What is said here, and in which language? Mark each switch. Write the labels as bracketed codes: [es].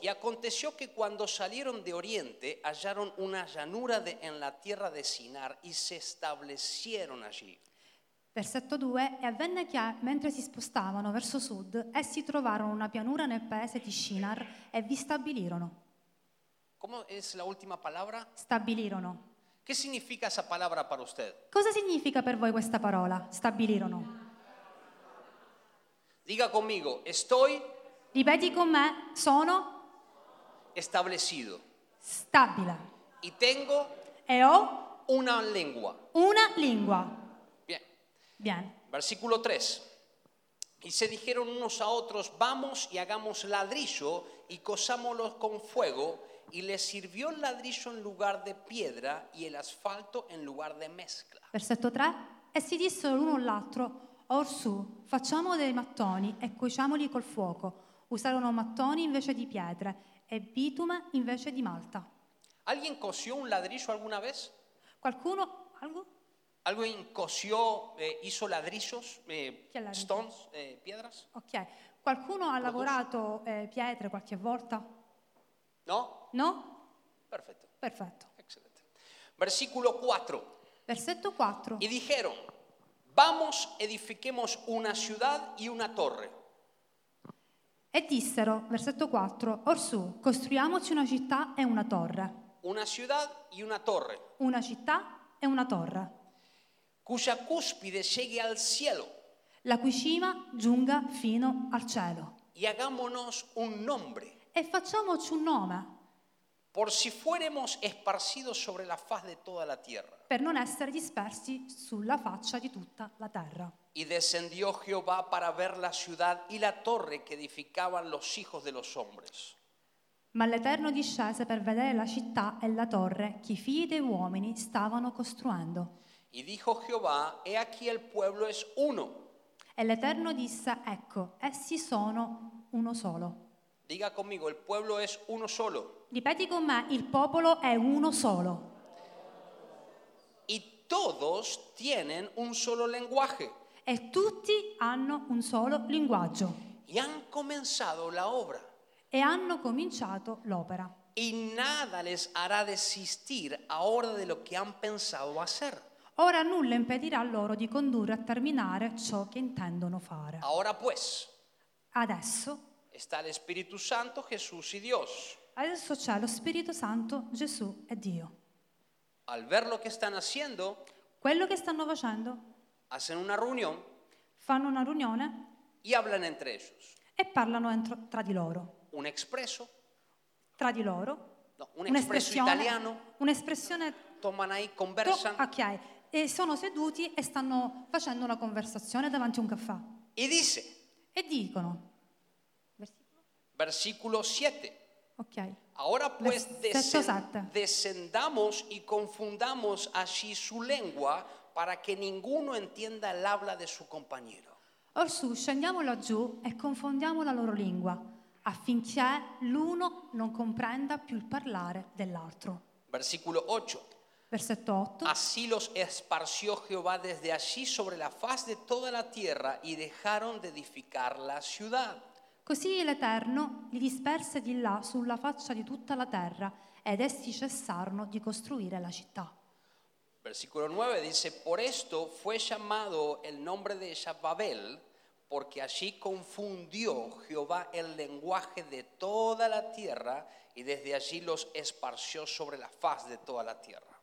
[es] Y aconteció que cuando salieron de oriente hallaron una llanura en la tierra de Sinar y se establecieron allí. [it] Versetto 2. E avvenne che mentre si spostavano verso sud essi trovarono una pianura nel paese di Sinar e vi stabilirono. [es] ¿Cómo es la última palabra? [it] Stabilirono. [es] ¿Qué significa esa palabra para usted? [it] Cosa significa per voi questa parola? Stabilirono. [es] Diga conmigo, estoy. [it] Ripeti con me, sono. [es] Establecido. [it] Stabile. [es] Y tengo. [it] E ho. [es] Una lengua. [it] Una lingua. [es] Bien. Bien. Versículo 3. Y se dijeron unos a otros, vamos y hagamos ladrillo y cosámoslo con fuego. y le sirvió el ladrillo en lugar de piedra y el asfalto en lugar de mezcla. [it] Versetto 3. E si dissero l'uno all'altro: or su, facciamo dei mattoni e cuociamoli col fuoco. Usarono mattoni invece di pietre e bitume invece di malta. [es] ¿Alguien coció un ladrillo alguna vez? [it] ¿Qualcuno? ¿Algo? [es] ¿Alguien coció, hizo ladrillos, stones, piedras? Ok. [it] ¿Qualcuno ha lavorato pietre qualche volta? No? No? [es] Perfecto. Perfecto. Excelente. Versículo 4. [it] Versetto 4. [es] Y dijeron: vamos, edifiquemos una ciudad y una torre. [it] E dissero, versetto 4, orsù, costruiamoci una città e una torre. [es] Una ciudad y una torre. [it] Una città e una torre. [es] Cuya cúspide llegue al cielo. [it] La cui cima giunga fino al cielo. [es] Y hagámonos un nombre. [it] E facciamoci un nome. [es] Por si fuéremos esparcidos sobre la faz de toda la tierra. [it] Per non essere dispersi sulla faccia di tutta la terra. [es] Y descendió Jehová para ver la ciudad y la torre que edificaban los hijos de los hombres. [it] Ma l'Eterno discese per vedere la città e la torre che i figli dei uomini stavano costruendo. [es] Y dijo Jehová: he aquí el pueblo es uno. [it] E l'Eterno disse: ecco, essi sono uno solo. [es] Diga conmigo: el pueblo es uno solo. [it] Ripeti con me: il popolo è uno solo. [es] Y todos tienen un solo lenguaje. [it] E tutti hanno un solo linguaggio. [es] Y han comenzado la obra. [it] E hanno cominciato l'opera. [es] Y nada les hará desistir ahora de lo que han pensado hacer. [it] Ora nulla impedirà loro di condurre a terminare ciò che intendono fare. [es] Ahora pues. [it] Adesso. [es] Está el Espíritu Santo, Jesús y Dios. [it] Adesso c'è lo Spirito Santo, Gesù e Dio. [es] Al ver lo que están haciendo. [it] Quello che stanno facendo. [es] Hacen una reunión. [it] Fanno una riunione. [es] Y hablan entre ellos. [it] E parlano entro, tra di loro. [es] Un expreso. [it] Tra di loro. [es] No, un expreso italiano. [it] Un'espressione. [es] Toman ahí, conversan. Ok. [it] E sono seduti e stanno facendo una conversazione davanti a un caffè. [es] Y dice. [it] E dicono. [es] Versículo 7. Ok. Ahora pues descendamos y confundamos allí su lengua, para que ninguno entienda el habla de su compañero. [it] Orsù, scendiamo laggiù e confondiamo la loro lingua, affinché l'uno non comprenda più il parlare dell'altro. [es] Versículo 8. [it] Versetto 8. [es] Así los esparció Jehová desde allí sobre la faz de toda la tierra y dejaron de edificar la ciudad. [it] Così l'Eterno li disperse di là sulla faccia di tutta la terra ed essi cessarono di costruire la città. [es] Versículo 9 dice: por esto fue llamado el nombre de ella Babel, porque allí confundió Jehová el lenguaje de toda la tierra y desde allí los esparció sobre la faz de toda la tierra.